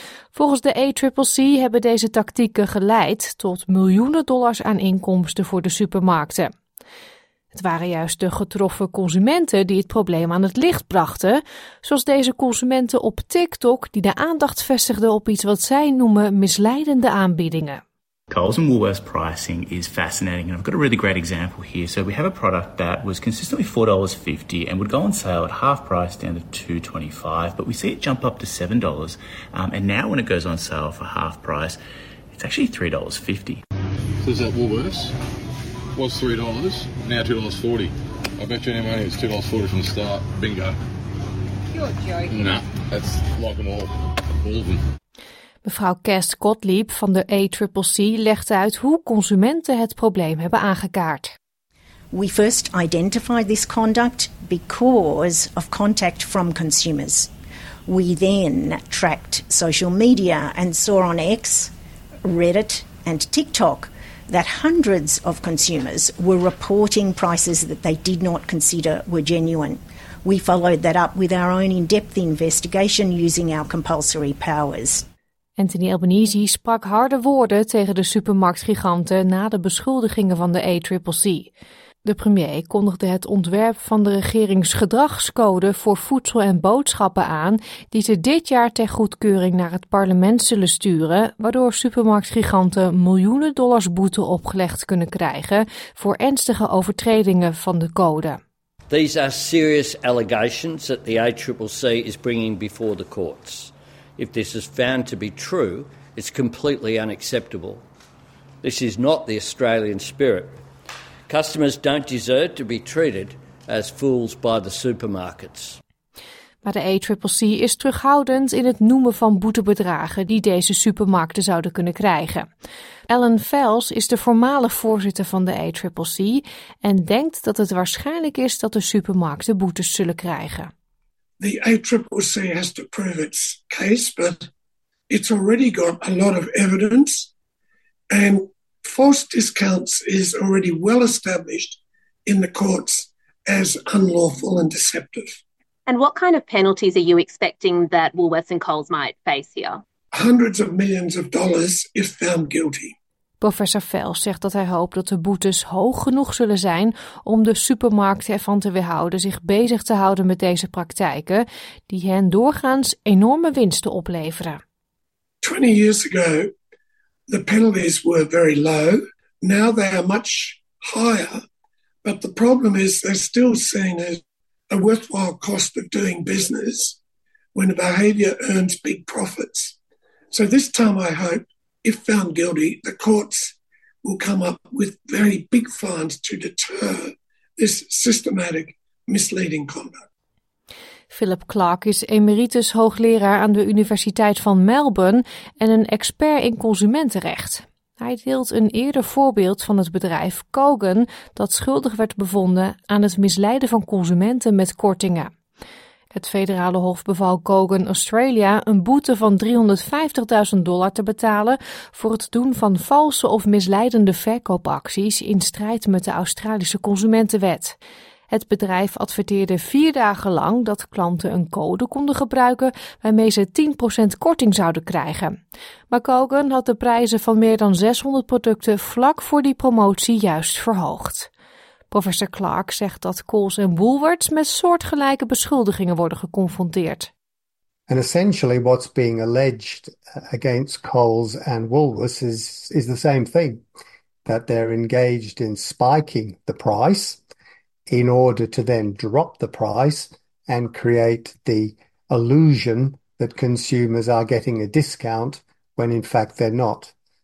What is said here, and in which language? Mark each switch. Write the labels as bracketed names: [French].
[Dutch] Volgens de ACCC hebben deze tactieken geleid tot miljoenen dollars aan inkomsten voor de supermarkten. Het waren juist de getroffen consumenten die het probleem aan het licht brachten, zoals deze consumenten op TikTok die de aandacht vestigden op iets wat zij noemen misleidende aanbiedingen. [English] Coles and Woolworths pricing is fascinating, and I've got a really great example here. So we have a product that was consistently $4.50 and would go on sale at half price down to $2.25, but we see it jump up to $7, and now when it goes on sale for half price, it's actually $3.50. So is that Woolworths? Was $3, now $2.40. I bet you any money it's $2.40 from the start. Bingo. You're joking. Nah, that's like them all. All of them. [Dutch] Mevrouw Cass Gottlieb van de ACCC legt uit hoe consumenten het probleem hebben aangekaart. [English] We first identified this conduct because of contact from consumers. We then tracked social media and saw on X, Reddit and TikTok that hundreds of consumers were reporting prices that they did not consider were genuine. We followed that up with our own in-depth investigation using our compulsory powers. [Dutch] Anthony Albanese sprak harde woorden tegen de supermarktgiganten na de beschuldigingen van de ACCC. De premier kondigde het ontwerp van de regeringsgedragscode voor voedsel en boodschappen aan, die ze dit jaar ter goedkeuring naar het parlement zullen sturen, waardoor supermarktgiganten miljoenen dollars boete opgelegd kunnen krijgen voor ernstige overtredingen van de code. [English] These are serious allegations that the ACCC is bringing before the courts. If this is found to be true, it's completely unacceptable. This is not the Australian spirit. Customers don't deserve to be treated as fools by the supermarkets. [Dutch] Maar de ACCC is terughoudend in het noemen van boetebedragen die deze supermarkten zouden kunnen krijgen. Alan Fels is de voormalig voorzitter van de ACCC en denkt dat het waarschijnlijk is dat de supermarkten boetes zullen krijgen. [English] The ACCC has to prove its case, but it's already got a lot of evidence. And false discounts is already well established in the courts as unlawful and deceptive. And what kind of penalties are you expecting that Woolworths and Coles might face here? Hundreds of millions of dollars if found guilty. [Dutch] Professor Fels zegt dat hij hoopt dat de boetes hoog genoeg zullen zijn om de supermarkten ervan te weerhouden zich bezig te houden met deze praktijken die hen doorgaans enorme winsten opleveren. [English] 20 years ago, the penalties were very low. Now they are much higher. But the problem is they're still seen as a worthwhile cost of doing business when the behaviour earns big profits. So this time I hope, if found guilty, the courts will come up with very big fines to deter this systematic misleading conduct. [Dutch] Philip Clark is emeritus hoogleraar aan de Universiteit van Melbourne en een expert in consumentenrecht. Hij deelt een eerder voorbeeld van het bedrijf Kogan dat schuldig werd bevonden aan het misleiden van consumenten met kortingen. Het federale hof beval Kogan Australia een boete van $350.000 te betalen voor het doen van valse of misleidende verkoopacties in strijd met de Australische Consumentenwet. Het bedrijf adverteerde 4 dagen lang dat klanten een code konden gebruiken waarmee ze 10% korting zouden krijgen. Maar Kogan had de prijzen van meer dan 600 producten vlak voor die promotie juist verhoogd. Professor Clark zegt dat Coles en Woolworths met soortgelijke beschuldigingen worden geconfronteerd. [English] And essentially what's being alleged against Coles and Woolworths is the same thing. That they're engaged in spiking the price in order to then drop the price and create the illusion that consumers are getting a discount when in fact they're not.